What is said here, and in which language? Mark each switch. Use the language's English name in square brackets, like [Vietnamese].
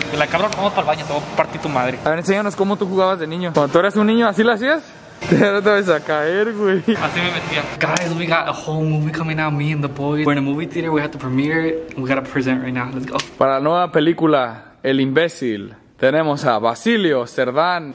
[Spanish] Y la cabrón, vamos para el baño, te voy a partir tu madre. A ver, enséñanos cómo tú jugabas de niño. Cuando tú eras un niño, ¿así lo hacías? No te vas a caer, güey. Así me metía. [English] Guys, we got a whole movie coming out, me and the boys. We're in a movie theater, we have to premiere it. We gotta present right now, let's go. [Spanish] Para la nueva película, El Imbécil, tenemos a Basilio Cerdán.